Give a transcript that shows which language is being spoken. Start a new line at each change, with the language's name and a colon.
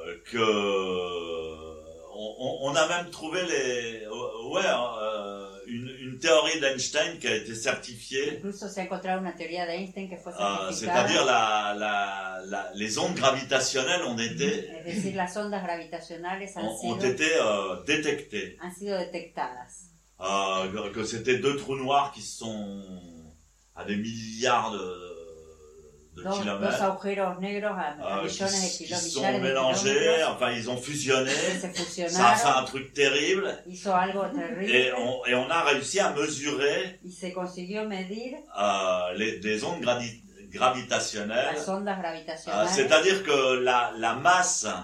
French: Que on a même trouvé les ouais une théorie d'Einstein qui a été certifiée.
Spanish: Incluso se ha encontrado una teoría de Einstein que fue certificada.
French: C'est-à-dire la les ondes gravitationnelles ont été.
Spanish: Es decir, las ondas gravitacionales
French: ont été détectées.
Spanish: Han sido detectadas.
French: Que c'était deux trous noirs qui sont à des milliards de kilomètres.
Spanish: Dos agujeros negros a millones de kilómetros.
French: Ils sont mélangés, enfin ils ont fusionné. Ça c'est un truc terrible.
Spanish: Hizo algo terrible.
French: Et on a réussi à mesurer.
Spanish: Y se consiguió medir.
French: Les ondes gravitationnelles.
Spanish: Las ondas gravitacionales.
French: C'est-à-dire que la masse.